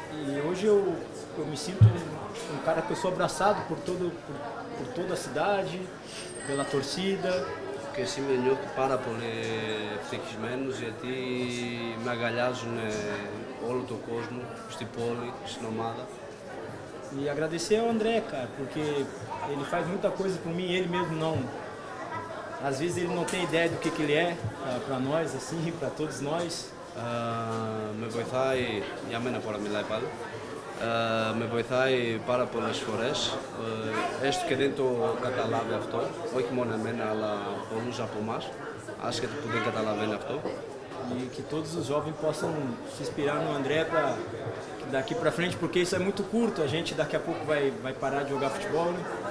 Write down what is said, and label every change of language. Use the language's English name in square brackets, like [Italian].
[Portuguese] E hoje eu me sinto um cara que eu sou abraçado por toda a cidade, pela torcida. Ok, [Greek] και σήμερα νιώθω πάρα πολύ ευτυχισμένος γιατί με αγκαλιάζουν όλο τον κόσμο, στην πόλη, στην ομάδα. [Portuguese] E agradecer ao André, cara, porque ele faz muita coisa por mim, ele mesmo não. Às vezes ele não tem ideia do que ele é para nós, assim, para todos nós. [Greek] Me βοηθάει, για μένα πολλά μιλάει πάλι, με βοηθάει πάρα πολλές φορές, έστω και δεν το καταλάβει αυτό, όχι μόνο εμένα, αλλά πολλούς από εμάς, άσχετα που δεν καταλαβαίνει αυτό. [Portuguese] E que todos os jovens possam se inspirar no André para daqui para frente, porque isso é muito curto, a gente daqui a pouco vai parar de jogar futebol, né?